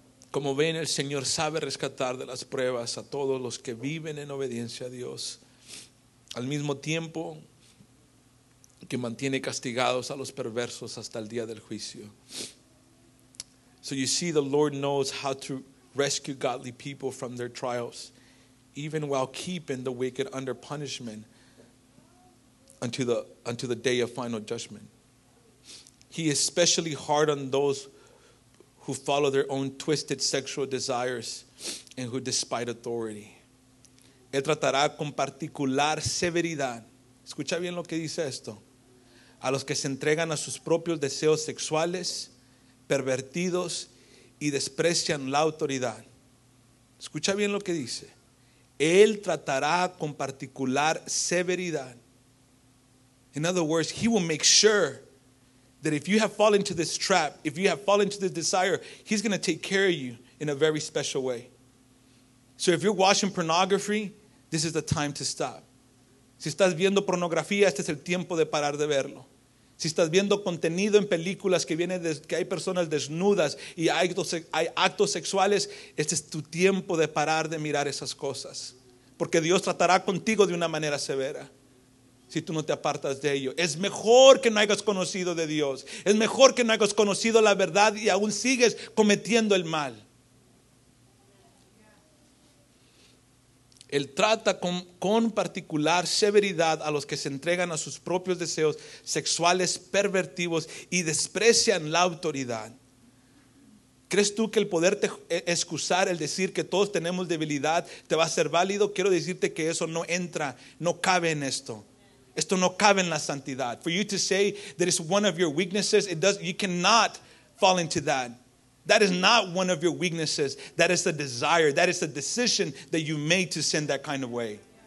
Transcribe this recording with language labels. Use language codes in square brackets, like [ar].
[es] Como ven, el Señor sabe rescatar de las pruebas a todos los que viven en obediencia a Dios, al mismo tiempo que mantiene castigados a los perversos hasta el día del juicio. [en] So you see, the Lord knows how to rescue godly people from their trials, even while keeping the wicked under punishment unto the day of final judgment. He is especially hard on those who follow their own twisted sexual desires and who despise authority. [es] Él tratará con particular severidad, escucha bien lo que dice esto, a los que se entregan a sus propios deseos sexuales, pervertidos y desprecian la autoridad. Escucha bien lo que dice. Él tratará con particular severidad. In other words, he will make sure that if you have fallen to this trap, if you have fallen to this desire, he's going to take care of you in a very special way. So if you're watching pornography, this is the time to stop. Si estás viendo pornografía, este es el tiempo de parar de verlo. Si estás viendo contenido en películas que viene de, que hay personas desnudas y hay actos sexuales, este es tu tiempo de parar de mirar esas cosas. Porque Dios tratará contigo de una manera severa. Si tú no te apartas de ello, es mejor que no hayas conocido de Dios. Es mejor que no hayas conocido la verdad y aún sigues cometiendo el mal. Él trata con particular severidad a los que se entregan a sus propios deseos sexuales pervertidos y desprecian la autoridad. ¿Crees tú que el poderte excusar, el decir que todos tenemos debilidad, te va a ser válido? Quiero decirte que eso no entra, no cabe en esto. Esto no cabe en la santidad. [en] For you to say that it's one of your weaknesses, you cannot fall into that. That is not one of your weaknesses. That is the desire. That is the decision that you made to sin that kind of way.